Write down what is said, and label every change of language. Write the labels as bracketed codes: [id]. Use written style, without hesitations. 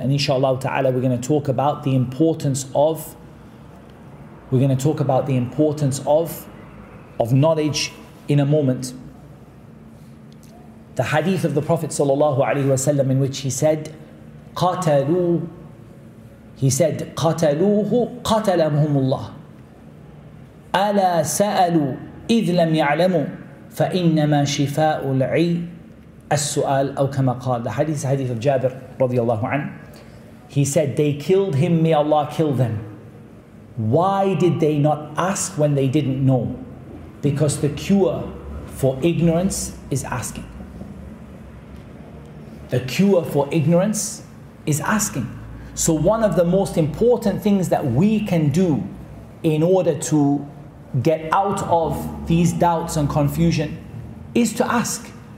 [en] And inshallah ta'ala, we're going to talk about the importance of knowledge in a moment. The hadith of the Prophet sallallahu alaihi wasallam, in which he said, "Qatalu," he said, [ar] "Qataluhu qatalahum Allah." ألا سألوا إذ لم يعلموا فإنما شفاء العي السؤال أو كما قال. [en] The hadith, hadith of Jabir رضي الله عنه. He said, they killed him, may Allah kill them. Why did they not ask when they didn't know? Because the cure for ignorance is asking. The cure for ignorance is asking. So one of the most important things that we can do in order to get out of these doubts and confusion is to ask.